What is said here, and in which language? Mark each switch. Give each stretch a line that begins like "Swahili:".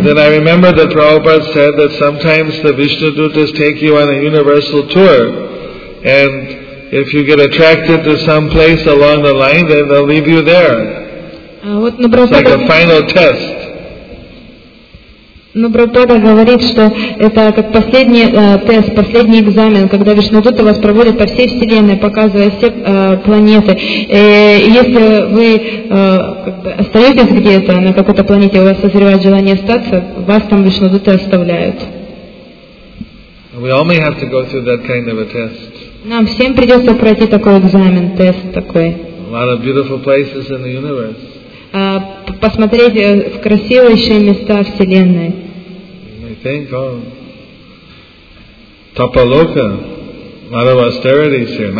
English: Then I remember that Prabhupada said that sometimes the Vishnu Dutas take you on a universal tour, and if you get attracted to some place along the line, then they'll leave you there.
Russian: Вот, но Прабхупада.
English: It's like a final test.
Russian: Но Прабхупада говорит, что это как последний тест, последний экзамен, когда Вишнудутта вас проводит по всей Вселенной, показывая все планеты. И если вы как бы остаетесь где-то на какой-то планете, у вас созревает желание остаться, вас там Вишнудутта оставляют.
English: We all may have to go through that kind of a test.
Russian: Нам всем придется пройти такой экзамен, тест такой.
English: A lot of beautiful places in the universe.
Russian: Посмотреть в красивейшие места Вселенной.
English: I think, oh, Tapaloka, a lot of austerity here.